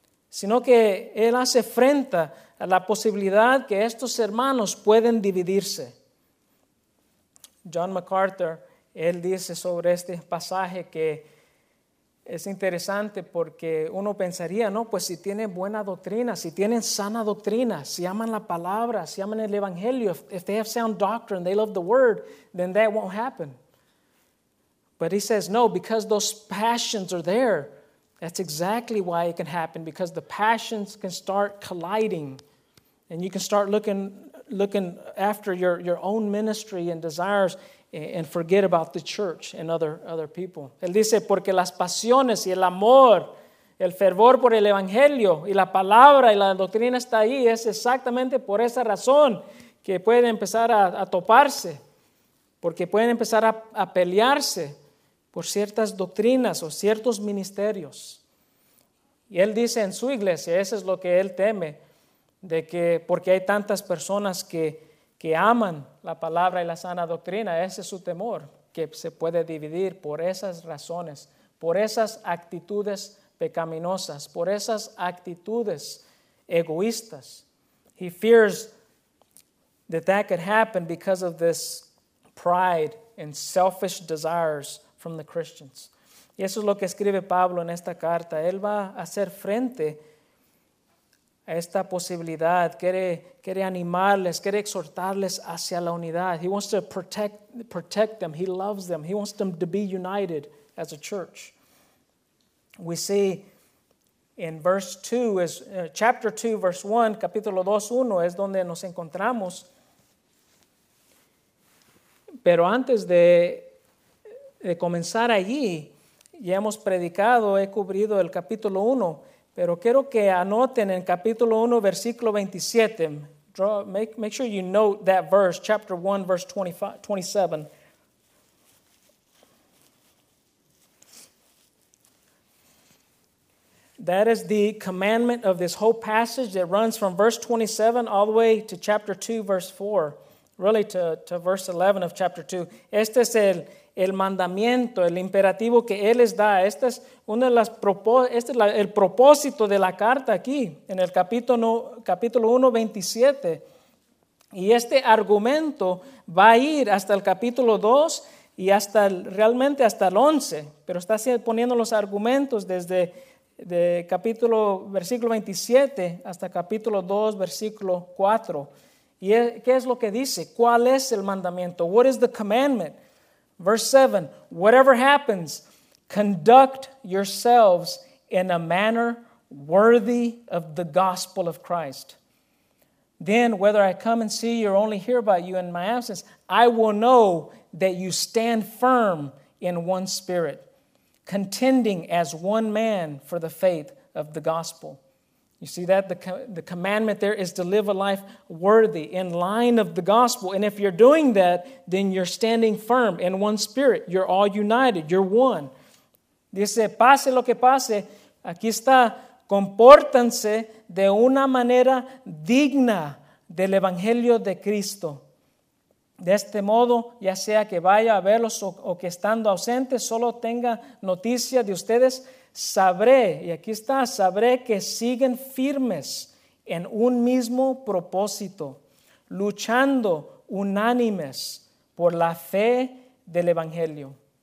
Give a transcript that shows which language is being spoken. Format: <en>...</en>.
<es>Sino que él hace frente a la posibilidad que estos hermanos pueden dividirse. John MacArthur, él dice sobre este pasaje que es interesante porque uno pensaría, no, pues si tienen buena doctrina, si tienen sana doctrina, si aman la palabra, si aman el evangelio,</es> <en>if they have sound doctrine, they love the word, then that won't happen. But he says, no, because those passions are there, that's exactly why it can happen, because the passions can start colliding and you can start looking after your own ministry and desires and forget about the church and other people.</en> <es>Él dice, porque las pasiones y el amor, el fervor por el evangelio y la palabra y la doctrina está ahí. Es exactamente por esa razón que pueden empezar a toparse, porque pueden empezar a pelearse por ciertas doctrinas o ciertos ministerios. Y él dice en su iglesia, eso es lo que él teme, de que porque hay tantas personas que aman la palabra y la sana doctrina, ese es su temor, que se puede dividir por esas razones, por esas actitudes pecaminosas, por esas actitudes egoístas.</es> <en>He fears that could happen because of this pride and selfish desires from the Christians.</en> <es>Y eso es lo que escribe Pablo en esta carta. Él va a hacer frente a esta posibilidad, quiere animarles, quiere exhortarles hacia la unidad.</es> <en>He wants to protect them. He loves them. He wants them to be united as a church. We see in verse 2, chapter 2, verse 1,</en> <es>capítulo 2, 1, es donde nos encontramos. Pero antes de comenzar allí, ya hemos predicado, he cubrido el capítulo 1. Pero quiero que anoten en capítulo 1, versículo 27.</es> <en>Make sure you note that verse, chapter 1, verse 27. That is the commandment of this whole passage that runs from verse 27 all the way to chapter 2, verse 4. Really to verse 11 of chapter 2.</en> <es>Este es el mandamiento, el imperativo que él les da. Este es una de las el propósito de la carta aquí, en el capítulo 1, 27. Y este argumento va a ir hasta el capítulo 2 y hasta realmente hasta el 11, pero está poniendo los argumentos desde de capítulo versículo 27 hasta capítulo 2 versículo 4. ¿Y qué es lo que dice? ¿Cuál es el mandamiento?</es> <en>What is the commandment? Verse 7. Whatever happens, conduct yourselves in a manner worthy of the gospel of Christ. Then, whether I come and see you or only hear about you in my absence, I will know that you stand firm in one spirit, contending as one man for the faith of the gospel. You see that? The commandment there is to live a life worthy, in line of the gospel. And if you're doing that, then you're standing firm in one spirit. You're all united. You're one.</en> <es>Dice, pase lo que pase, aquí está. Compórtanse de una manera digna del Evangelio de Cristo. De este modo, ya sea que vaya a verlos o que estando ausente, solo tenga noticia de ustedes, sabré, y aquí está, sabré que siguen firmes en un mismo propósito, luchando unánimes por la fe del Evangelio.</es>